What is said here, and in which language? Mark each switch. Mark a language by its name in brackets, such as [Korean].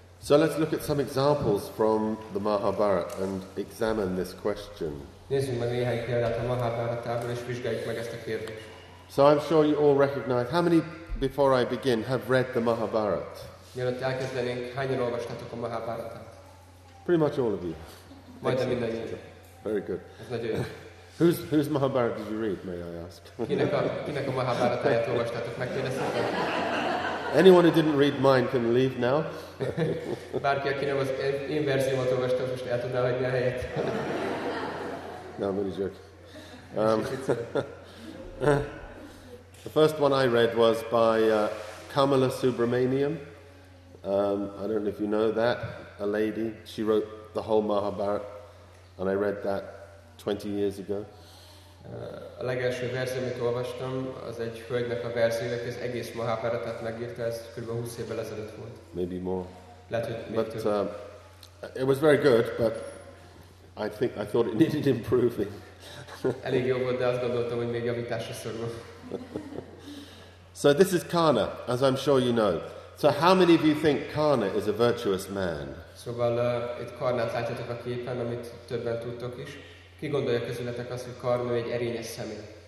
[English] So let's look at some examples from the Mahabharata and examine this question. [Hungarian] Nézzünk meg néhány példát a Mahabharatából, és vizsgáljuk meg ezt a kérdést. [English] So I'm sure you all recognize, how many, before I begin, have read the Mahabharata? [Hungarian] Mielőtt elkezdenénk, hányan olvastátok a Mahabharatát? [English] Pretty much all of you. [Hungarian] Majdnem mindannyian. [English] Very good. [Hungarian] Ez nagyon jó. [English] Whose Mahabharata did you read, may I ask? [Hungarian] kinek a Mahabharatáját olvastátok, megkérdeztetek? [English] Anyone who didn't read mine can leave now. [Hungarian] Bárki, aki nem az én verziómat olvasta, most el tudná hagyni a helyet. [English] No, I'm only joking. The first one I read was by Kamala Subramanian. I don't know if you know that, a lady. She wrote the whole Mahabharata, and I read that 20 years ago. [Hungarian] A legelső verzió, amit olvastam, az egy hölgynek a verziója, az egész Mahabharatát megírta, ez kb. 20 évvel ezelőtt volt. [English] Maybe more. [Hungarian] Lehet, hogy [English] but it was very good, but I thought it needed improving. [Hungarian] Elég jó volt, de azt gondoltam, hogy még javításra szorul. [English] So this is Karna, as I'm sure you know. So how many of you think Karna is a virtuous man? [Hungarian] Szóval itt Karnát látjátok a képen, amit többen tudtok is. Ki gondolja közületek azt, hogy Karna egy erényes személy?